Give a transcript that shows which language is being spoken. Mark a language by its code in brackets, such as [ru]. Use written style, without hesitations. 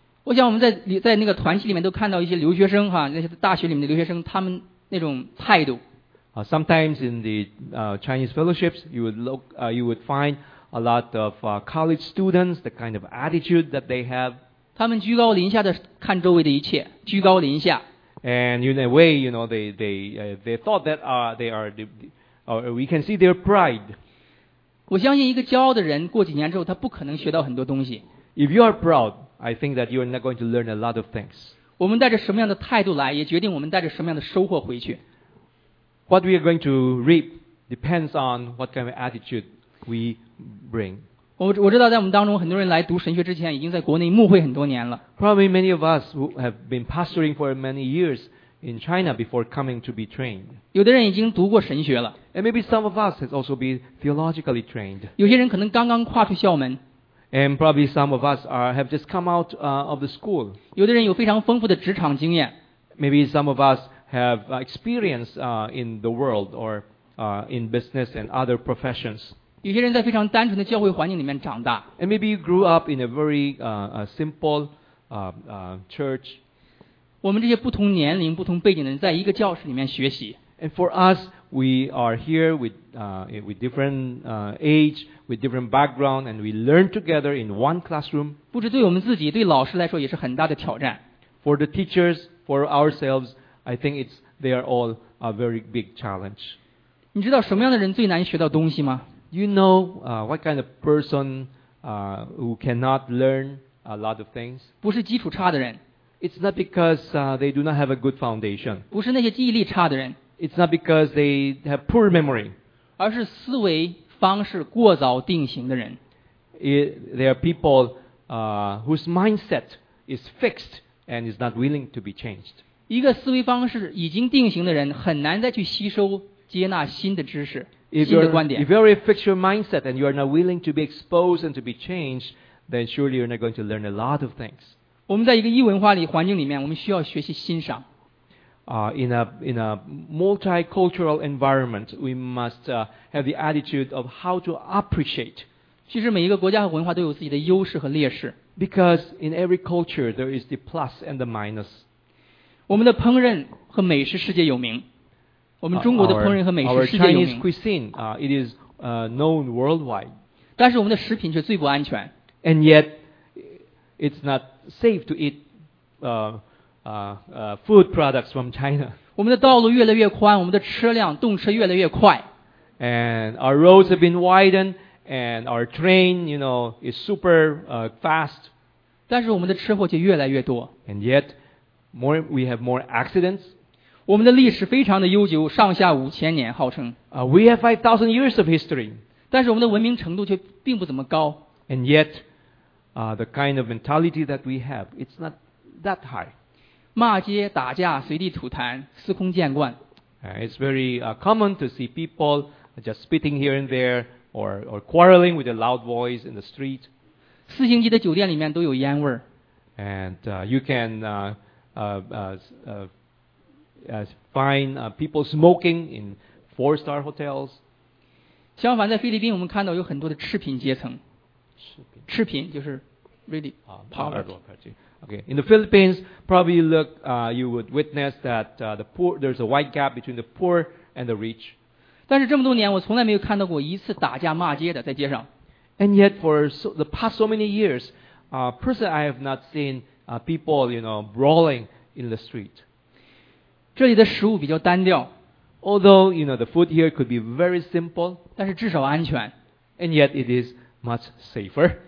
[zh] 我想我们在那个团契里面都看到一些留学生哈，那些大学里面的留学生，他们那种态度。 [en] Sometimes in the Chinese fellowships, you would find a lot of college students, the kind of attitude that they have. [zh] 他们居高临下的看周围的一切，居高临下。 [en] And in a way, you know, they thought that we can see their pride. [zh] 我相信一个骄傲的人过几年之后，他不可能学到很多东西。 [en] If you are proud, I think that you are not going to learn a lot of things. [zh] 我们带着什么样的态度来，也决定我们带着什么样的收获回去。 [en] What we are going to reap depends on what kind of attitude we bring. [zh] 我知道在我们当中很多人来读神学之前已经在国内牧会很多年了。 [en] Probably many of us have been pastoring for many years in China before coming to be trained. [zh] 有的人已经读过神学了。 [en] And maybe some of us has also been theologically trained. [zh] 有些人可能刚刚跨出校门。 [en] And probably some of us have just come out of the school. [zh] 有的人有非常丰富的职场经验。 [en] Maybe some of us have experience in the world or in business and other professions. [zh] 有些人在非常单纯的教会环境里面长大。 [en] And maybe you grew up in a very simple church. [zh] 我们这些不同年龄、不同背景的人在一个教室里面学习。 [en] And for us, we are here with different age, with different background, and we learn together in one classroom. [zh] 不止对我们自己，对老师来说也是很大的挑战。 [en] for the teachers, for ourselves, I think it's they are all a very big challenge. [zh] 你知道什么样的人最难学到东西吗？ [en] You know, what kind of person, who cannot learn a lot of things? [zh] 不是基础差的人。 [en] It's not because, they do not have a good foundation. [zh] 不是那些记忆力差的人。 [en] It's not because they have poor memory. [zh] 而是思维方式过早定型的人。 [en] There are people, whose mindset is fixed and is not willing to be changed. [zh] 一个思维方式已经定型的人很难再去吸收接纳新的知识新的观点。 [en] If you already fixed your mindset and you are not willing to be exposed and to be changed, then surely you're not going to learn a lot of things. [zh] 我们在一个异文化里环境里面我们需要学习欣赏。 [en] In a multicultural environment, we must, have the attitude of how to appreciate. [zh] 其实每一个国家和文化都有自己的优势和劣势。 [en] Because in every culture, there is the plus and the minus. [zh] 我们的烹饪和美食世界有名。我们中国的烹饪和美食世界有名。 [en] Our Chinese cuisine, it is, known worldwide. [zh] 但是我们的食品却最不安全。 [en] And yet, it's not safe to eat, food products from China. [zh] 我们的道路越来越宽，我们的车辆动车越来越快。 [en] And our roads have been widened, and our train, you know, is super, fast. [zh] 但是我们的车祸却越来越多。 [en] And yet, more, we have more accidents. [zh] 我们的历史非常的悠久，上下五千年，号称。 [en] We have 5,000 years of history. [zh] 但是我们的文明程度却并不怎么高。 [en] And yet, the kind of mentality that we have, it's not that high. [zh] 骂街打架随地吐痰司空见惯。 [en] It's very, common to see people just spitting here and there or quarreling with a loud voice in the street. [zh] 四星级的酒店里面都有烟味。 [en] And, you can, find, people smoking in four-star hotels. [zh] 相反在菲律宾我们看到有很多的赤贫阶层。赤贫就是 [en] really poverty. Okay. In the Philippines, probably you look, you would witness that, the poor, there's a wide gap between the poor and the rich. [zh] 但是这么多年我从来没有看到过一次打架骂街的在街上。 [en] And yet for so, the past so many years, personally I have not seen, people, you know, brawling in the street. [zh] 这里的食物比较单调。 [en] Although, you know, the food here could be very simple. [zh] 但是至少安全。 [en] And yet it is much safer.